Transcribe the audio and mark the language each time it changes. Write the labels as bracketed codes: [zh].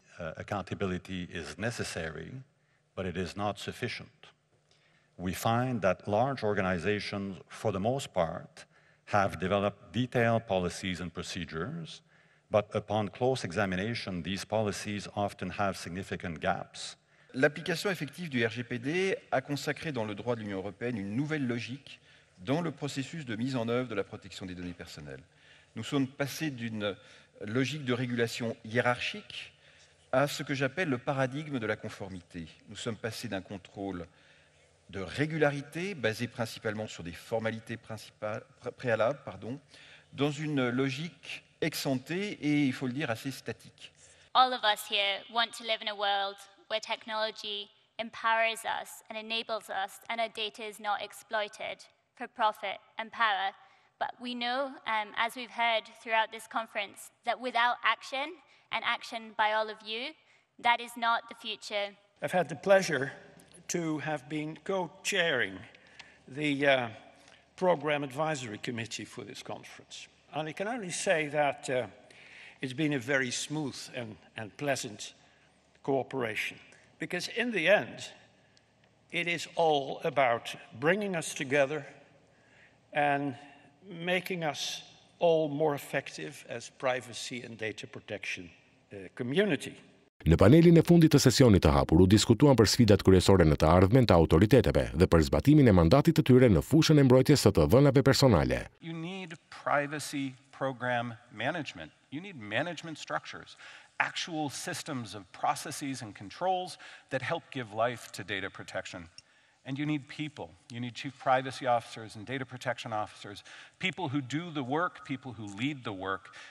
[en] Accountability is necessary, but it is not sufficient. We find that large organizations, for the most part, have developed detailed policies and procedures, but upon close examination, these policies often have significant gaps. [fr] L'application effective du RGPD a consacré dans le droit de l'Union européenne une nouvelle logique dans le processus de mise en œuvre de la protection des données personnelles. Nous sommes passés d'une logique de régulation hiérarchique à ce que j'appelle le paradigme de la conformité. Nous sommes passés d'un contrôle de régularité basé principalement sur des formalités préalables, dans une logique ex ante et, il faut le dire, assez statique. [en] All of us here want to live in a world where technology empowers us and enables us and our data is not exploited for profit and power. But we know, as we've heard throughout this conference, that without action, and action by all of you, that is not the future. I've had the pleasure to have been co-chairing the Program Advisory Committee for this conference. And I can only say that it's been a very smooth and pleasant cooperation, because in the end, it is all about bringing us together and making us all more effective as privacy and data protection community. [sq] Në panelin e fundit të sesionit të hapur, u diskutuan për sfidat kryesore në të ardhmen të autoriteteve dhe për zbatimin e mandatit të tyre në fushën e mbrojtjes së të dhënave personale. [en] You need privacy program management. You need management structures, actual systems of processes and controls that help give life to data protection. And you need people. You need chief privacy officers and data protection officers, people who do the work, people who lead the work.